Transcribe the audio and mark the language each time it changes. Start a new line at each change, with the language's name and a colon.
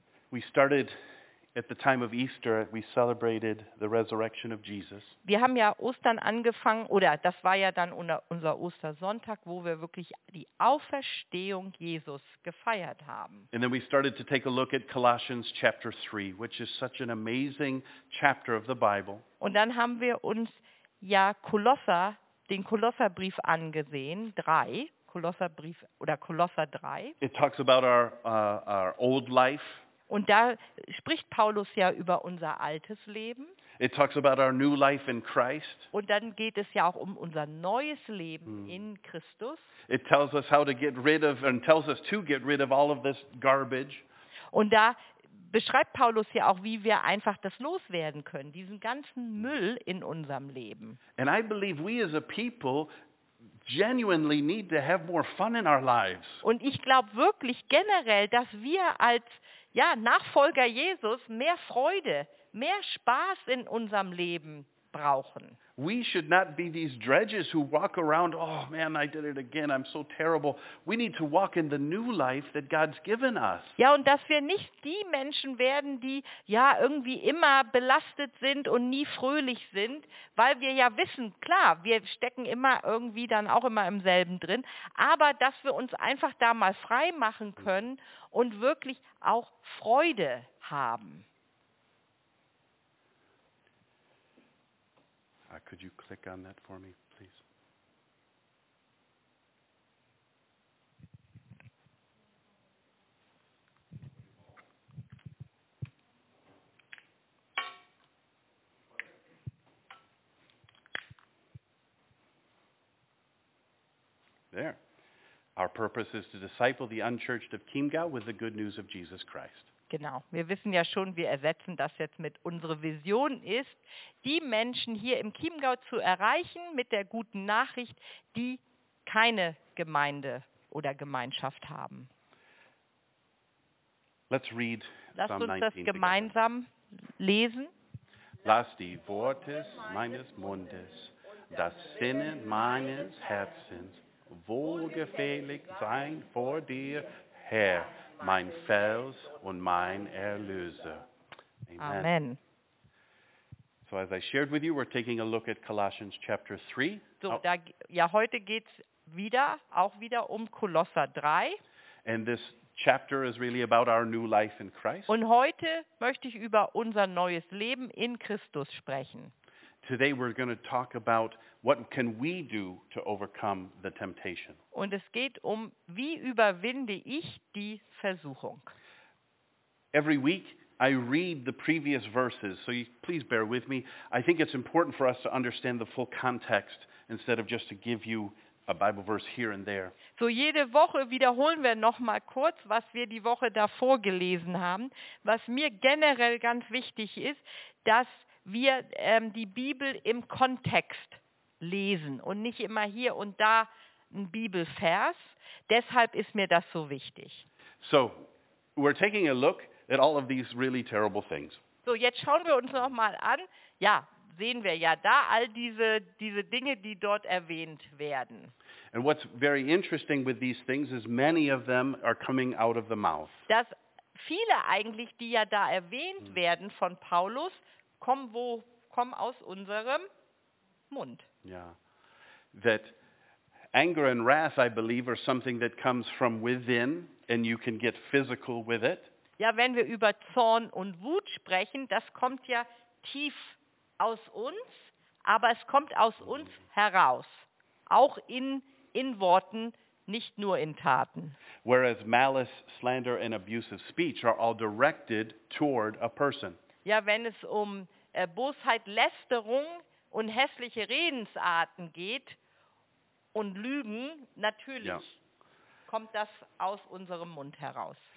English: We started at the time of Easter, we celebrated the resurrection of Jesus.
German: Wir haben ja Ostern angefangen, oder das war ja dann unser Ostersonntag, wo wir wirklich die Auferstehung Jesus gefeiert haben.
English: And then we started to take a look at Colossians chapter 3, which is such an amazing chapter of the Bible.
German: Und dann haben wir uns ja den Kolosserbrief angesehen, 3, Kolosserbrief oder Kolosser 3.
English: It talks about our old life.
German: Und da spricht Paulus ja über unser altes Leben.
English: It talks about our new life in Christ.
German: Und dann geht es ja auch um unser neues Leben in Christus.
English: It tells us how to get rid of and tells us to get rid of all of this garbage.
German: Und da beschreibt Paulus ja auch, wie wir einfach das loswerden können, diesen ganzen Müll in unserem Leben.
English: And I believe we as a people genuinely need to have more fun in our lives.
German: Und ich glaube wirklich generell, dass wir als Nachfolger Jesus mehr Freude, mehr Spaß in unserem Leben brauchen.
English: We should not be these dredges who walk around, oh man, I did it again, I'm so terrible. We need to walk in the new life that God's given us.
German: Ja, und dass wir nicht die Menschen werden, die ja irgendwie immer belastet sind und nie fröhlich sind, weil wir ja wissen, klar, wir stecken immer irgendwie dann auch immer im selben drin, aber dass wir uns einfach da mal frei machen können und wirklich auch Freude haben.
English: Could you click on that for me, please? purpose is to disciple the unchurched of Chiemgau with the good news of Jesus Christ.
German: Genau, wir wissen ja schon, wir ersetzen das jetzt mit unserer Vision ist, die Menschen hier im Chiemgau zu erreichen mit der guten Nachricht, die keine Gemeinde oder Gemeinschaft haben.
English: Let's read
German: Lass
English: Psalm
German: uns das gemeinsam
English: together.
German: Lesen. Lass die Worte meines Mundes, das Sinnen meines Herzens, wohlgefällig sein vor dir, Herr, mein Fels und mein Erlöser. Amen. Amen.
English: So as I shared with you, we're taking a look at Colossians chapter 3.
German: So, oh. da, ja, heute geht's wieder, auch wieder um Kolosser 3.
English: And this chapter is really about our new life in Christ.
German: Und heute möchte ich über unser neues Leben in Christus sprechen.
English: Today we're going to talk about what can we do to overcome the temptation.
German: Und es geht um, wie überwinde ich die Versuchung.
English: Every week I read the previous verses, so you, please bear with me. I think it's important for us to understand the full context instead of just to give you a Bible verse here and there.
German: So jede Woche wiederholen wir noch mal kurz, was wir die Woche davor gelesen haben. Was mir generell ganz wichtig ist, dass wir die Bibel im Kontext lesen und nicht immer hier und da ein Bibelvers. Deshalb ist mir das so wichtig.
English: So, we're taking a look at all of these really terrible things.
German: So, jetzt schauen wir uns noch mal an. Ja, sehen wir ja da all diese Dinge, die dort erwähnt werden.
English: And what's very interesting with these things is many of them are coming out of the mouth.
German: Dass viele eigentlich, die ja da erwähnt werden von Paulus, kommen aus unserem Mund.
English: Yeah. That anger and wrath, I believe, are something that comes from within and you can get physical with it.
German: Ja, wenn wir über Zorn und Wut sprechen, das kommt ja tief aus uns, aber es kommt aus uns heraus, auch in Worten, nicht nur in Taten.
English: Whereas malice, slander and abusive speech are all directed toward a person.
German: Ja, wenn es um Bosheit, Lästerung und hässliche Redensarten geht und Lügen, natürlich kommt das aus unserem Mund heraus.